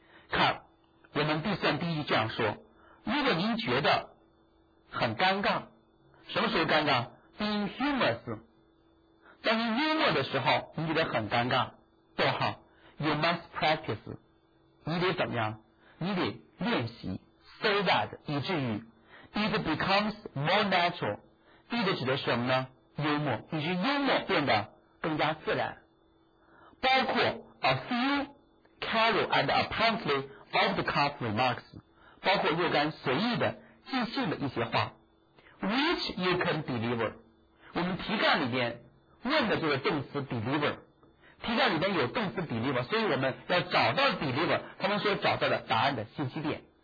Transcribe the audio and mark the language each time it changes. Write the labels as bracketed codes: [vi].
[zh] 看我们第三第一这样说，如果您觉得很尴尬，什么时候尴尬？ [en] being humorous, [zh] 当您幽默的时候你觉得很尴尬，逗号 [en] you must practice, [zh] 你得怎么样？你得练习 so that, 以至于 [en] it becomes more natural, [zh] it 指的是什么呢？幽默，以至于幽默变得更加自然。包括 [en] a few casual and apparently off the cuff remarks, [zh] 包括若干随意的即兴的一些话， [en] which you can deliver, [zh] 我们题干里边问的就是动词 deliver, 题干里边有动词 deliver, 所以我们要找到 deliver, 他们说找到了答案的信息点。